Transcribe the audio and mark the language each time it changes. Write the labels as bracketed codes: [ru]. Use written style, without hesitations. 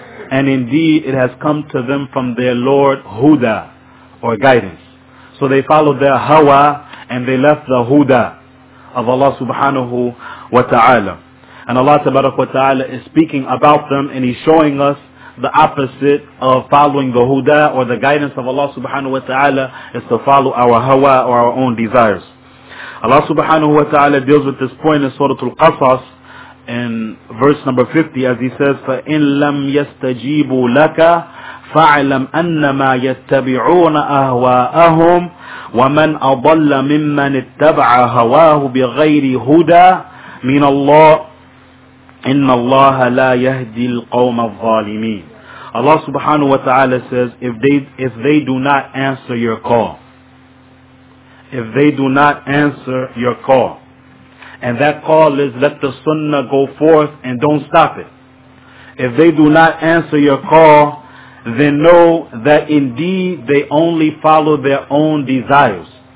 [en] And indeed, it has come to them from their Lord Huda, or guidance. So they followed their hawa, and they left the Huda, of Allah subhanahu wa ta'ala. And Allah tabarak wa ta'ala is speaking about them, and He's showing us the opposite of following the huda or the guidance of Allah subhanahu wa ta'ala is to follow our hawa or our own desires. Allah subhanahu wa ta'ala deals with this point in Surah Al-Qasas in verse number 50, as He says, [ar] فَإِن لَمْ يَسْتَجِيبُوا لَكَ فَعْلَمْ أَنَّمَا يَتَّبِعُونَ أَهْوَاءَهُمْ وَمَنْ أَضَلَّ مِمَّنِ اتَّبْعَ هَوَاهُ بِغَيْرِ هُدَى مِنَ اللَّهِ إِنَّ اللَّهَ لَا يَهْدِي الْقَوْمَ الظَّالِمِينَ. [en] Allah subhanahu wa ta'ala says, if they do not answer your call, if they do not answer your call, and that call is let the sunnah go forth and don't stop it. If they do not answer your call, then know that indeed they only follow their own desires.